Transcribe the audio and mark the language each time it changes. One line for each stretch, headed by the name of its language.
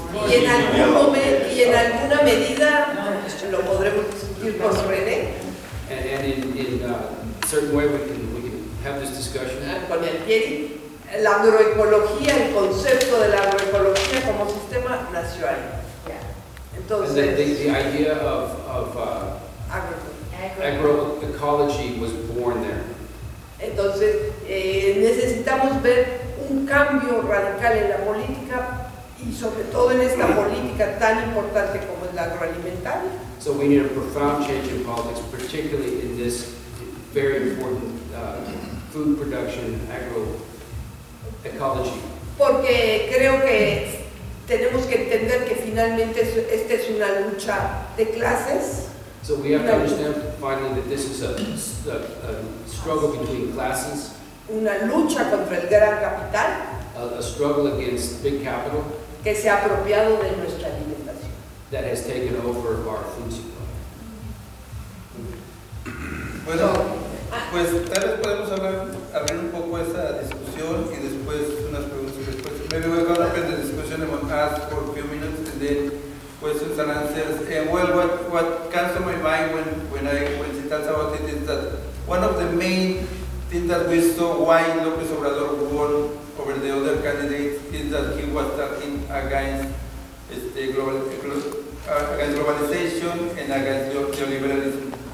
Spanish: Y en algún momento, y en alguna medida, lo podremos discutir con René.
English: And in a certain way we can have this discussion.
Spanish: Con el Pieri, la agroecología, el concepto de la agroecología como sistema nació ahí. Entonces,
English: and the idea of agroecology was born there.
Spanish: Entonces, necesitamos ver un cambio radical en la política. Y sobre todo en esta política tan importante como es la agroalimentaria.
English: So we need a profound change in politics, particularly in this very important food production, agroecology.
Spanish: Porque creo que tenemos que entender que finalmente esta es una lucha de clases.
English: So we have to understand finally that this is a struggle between classes.
Spanish: Una lucha contra el gran capital.
English: A struggle against big capital.
Spanish: Que se ha apropiado de nuestra alimentación.
English: That has taken over our food supply.
Spanish: Bueno, pues tal vez podemos hablar, abrir un poco esa discusión y después unas preguntas y después.
English: Maybe we're going to open the discussion and we'll ask for a few minutes and then questions and answers. And well, what comes to my mind when she talks about it is that one of the main things that we saw why López Obrador won over the other candidates is that he was talking against against globalization and against neoliberalism.